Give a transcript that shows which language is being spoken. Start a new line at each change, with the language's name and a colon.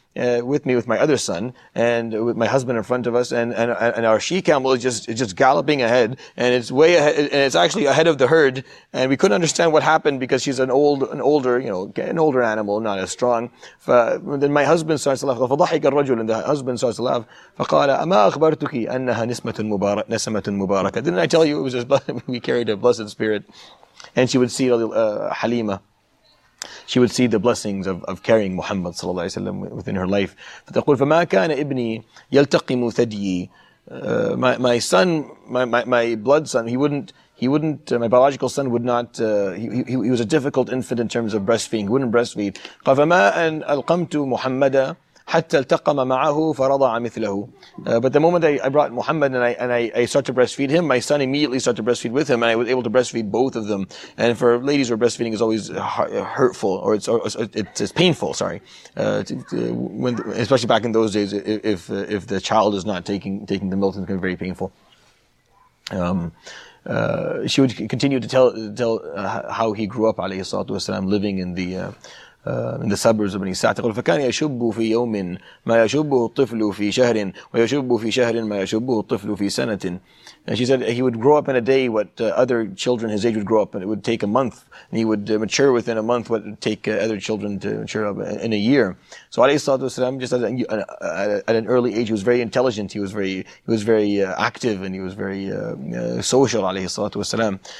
English: with me, with my other son, and with my husband in front of us, and our she camel is just galloping ahead, and it's way ahead, and it's actually ahead of the herd, and we couldn't understand what happened because she's an older animal, not as strong. Then my husband starts to laugh.
Arabic: فضحك الرجل,
English: and the husband starts to laugh.
Arabic: فقال أما أخبرتك أنها نسمة مباركة.
English: Didn't I tell you it was just we carried a blessed spirit, and she would see Halima. She would see the blessings of carrying Muhammad
Arabic: صلى الله عليه وسلم
English: within her life.
Arabic: فتقول فما كان ابني يلتقم ثديي.
English: My son, my blood son, he wouldn't my biological son would not, he was a difficult infant in terms of breastfeeding. He wouldn't breastfeed.
Arabic: فما أن ألقمت محمدا حتى التقم معه فرضع مثله.
English: But the moment I brought Muhammad and I started to breastfeed him, my son immediately started to breastfeed with him, and I was able to breastfeed both of them. And for ladies where breastfeeding is always hurtful, or it's painful, sorry. Especially back in those days, if the child is not taking the milk, it can be very painful. She would continue to tell how he grew up, alayhi salatu wasalam, living in the, in the suburbs of Bani Sa'd.
Arabic: تقول فكان يشب في يوم ما يشبه الطفل في شهر ويشب في شهر ما يشبه الطفل في سنة.
English: And she said he would grow up in a day what other children his age would grow up, and it would take a month, and he would mature within a month what it would take other children to mature up in a year. So alayhi salatu wasalam, just at an early age, he was very intelligent, he was very active, and he was very social, alayhi salatu wasalam.